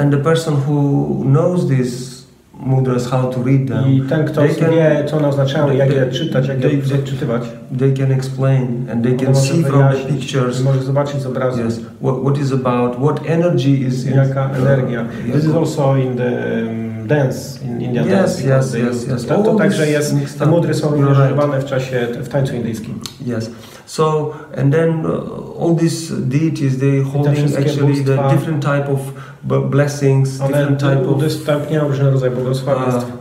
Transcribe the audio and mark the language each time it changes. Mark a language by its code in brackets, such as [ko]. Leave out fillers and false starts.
[en] And the person who knows these mudras, how to read them. [pl] I ten, kto wie, [en] can, [pl] co one oznaczają, [en] they, [pl] jak je czytać, jak je odczytywać. [en] They can explain and they can see from the pictures. [pl] Może zobaczyć z obrazu. [en] Yes. What is about? What energy is? [pl] Jaka energia? [en] This is also in the dance in India. Yes. [pl] To także jest. Te mudry są również używane w czasie w tańcu indyjskim. [en] Yes. So and then all these deities, they holding actually the different type of blessings, different type of [pl] udostępniają różne rodzaje błogosławieństw.